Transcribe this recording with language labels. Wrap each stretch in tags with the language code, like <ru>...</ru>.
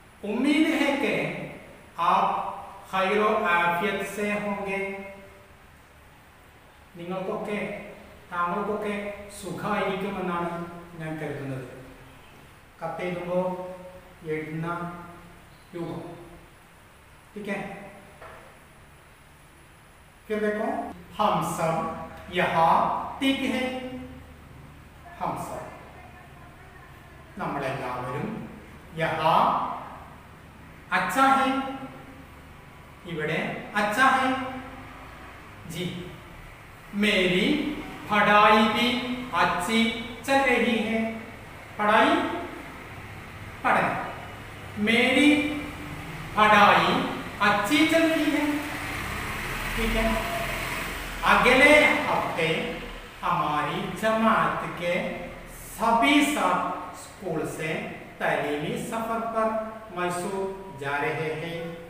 <hi>उम्मीद है कि आप खैर आफियत से होंगे,</hi> <ml>നിങ്ങൾക്കൊക്കെ താങ്കൾക്കൊക്കെ സുഖമായിരിക്കുമെന്നാണ് ഞാൻ കരുതുന്നത്. കത്തെഴുതുമ്പോൾ എഴുതുന്ന രൂപം ടിക്കേ കേട്ടോ,</ml> <hi>ഹം സബ് യഹാ ടിക് ഹേ, ഹം സബ്</hi> <ml>നമ്മളെല്ലാവരും,</ml> <hi>യഹാ അച്ഛാ ഹേ,</hi> <ml>ഇവിടെ</ml> <hi>അച്ഛാ ഹേ ജി। मेरी पढ़ाई भी अच्छी चल रही है, पढ़ाई पढ़ना, मेरी पढ़ाई अच्छी चल रही है, ठीक है। अगले हफ्ते हमारी जमात के सभी सब स्कूल से तालीमी सफर पर मैसूर जा रहे हैं।</hi>